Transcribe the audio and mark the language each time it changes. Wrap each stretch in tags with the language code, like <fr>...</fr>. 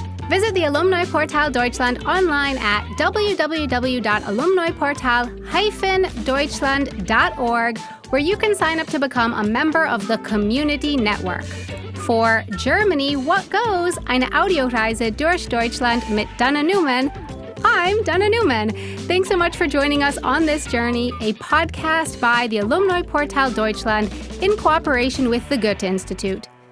<en>Visit the Alumni Portal Deutschland online at www.alumniportal-deutschland.org, where you can sign up to become a member of the community network. For Germany, what goes?</en> <de>Eine Audioreise durch Deutschland mit Dana Neumann.</de> <en>I'm Dana Neumann. Thanks so much for joining us on this journey, a podcast by the Alumni Portal Deutschland in cooperation with the Goethe-Institut.</en>